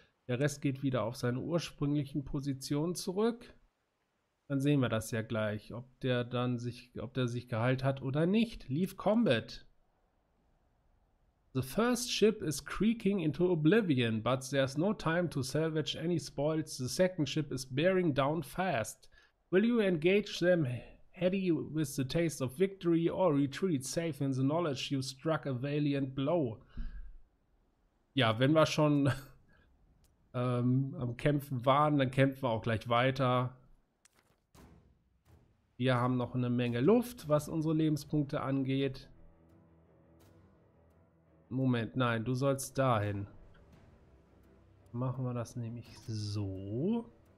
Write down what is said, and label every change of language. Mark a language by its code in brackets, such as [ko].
[de] Der Rest geht wieder auf seine ursprünglichen Positionen zurück. Dann sehen wir das ja gleich, ob der sich geheilt hat oder nicht. [en] Leave combat. The first ship is creaking into oblivion, but there's no time to salvage any spoils. The second ship is bearing down fast. Will you engage them heady with the taste of victory or retreat safe in the knowledge you struck a valiant blow? [de] Ja, wenn wir schon am Kämpfen waren, dann kämpfen wir auch gleich weiter. Wir haben noch eine Menge Luft, was unsere Lebenspunkte angeht. Moment, nein, du sollst dahin. Machen wir das nämlich so.